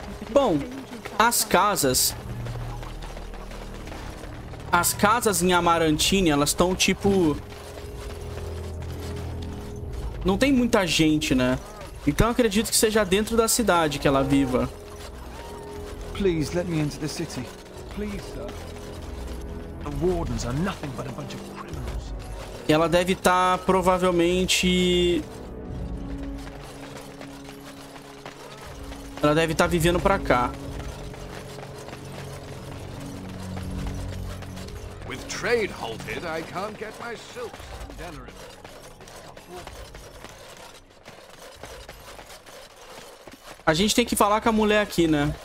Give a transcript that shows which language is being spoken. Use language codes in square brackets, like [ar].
[pt] Bom, as casas em Amarantine, elas estão tipo, não tem muita gente, né? Então eu acredito que seja dentro da cidade que ela viva. [en] Please let me into the city. Please, sir. The wardens are nothing but a bunch of criminals. [pt] Ela deve estar provavelmente vivendo pra cá. [en] With trade halted, I can't get my silks from Denarin. [pt] A gente tem que falar com a mulher aqui, né?